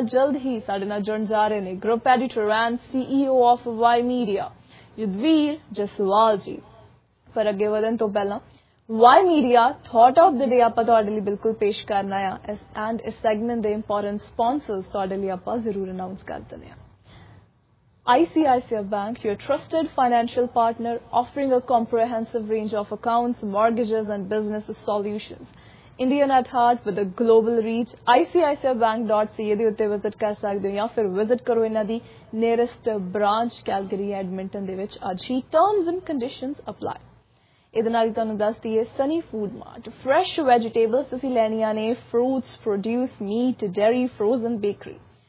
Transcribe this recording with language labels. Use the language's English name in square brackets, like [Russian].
[Punjabi] ਜਲਦ ਹੀ ਸਾਡੇ ਨਾਲ ਜੁੜਨ ਜਾ ਰਹੇ ਨੇ group editor and CEO of Y media Yudhvir Jaswal ਜੀ। ਪਰ ਅੱਗੇ ਵਧਣ ਤੋਂ ਪਹਿਲਾਂ Y media thought of the ਡੇ ਆਪਾਂ ਤੁਹਾਡੇ ਲਈ ਬਿਲਕੁਲ ਪੇਸ਼ ਕਰਨਾ ਆ ਐਂਡ ਇਸ ਸੈਗਮੈਂਟ ਦੇ ਇੰਪੋਰਟੈਂਟ ਸਪੋਂਸਰਸ ਤੁਹਾਡੇ ਲਈ ਆਪਾਂ ਜ਼ਰੂਰ ਅਨਾਊਂਸ ਕਰ ਦਿੰਦੇ ਹਾਂ। [English] ICICI Bank, your trusted financial partner offering a comprehensive range of accounts, mortgages and business solutions. Indian at heart with a global reach. [Punjabi] ICICIbank.ca ਦੇ ਉੱਤੇ ਵਿਜ਼ਿਟ ਕਰ ਸਕਦੇ ਹੋ ਜਾਂ ਫਿਰ ਵਿਜ਼ਿਟ ਕਰੋ ਇਹਨਾਂ ਦੀ ਨੀਅਰੈਸਟ ਬ੍ਰਾਂਚ ਕੈਲਗਰੀ ਐਡਮਿੰਟਨ ਦੇ ਵਿੱਚ ਅੱਜ ਹੀ [English] terms and conditions apply [Punjabi] ਇਹਦੇ ਨਾਲ ਹੀ ਤੁਹਾਨੂੰ ਦੱਸ ਦਈਏ Sunny food mart fresh vegetables ਤੁਸੀਂ ਲੈਣੀਆਂ ਨੇ fruits produce meat dairy frozen bakery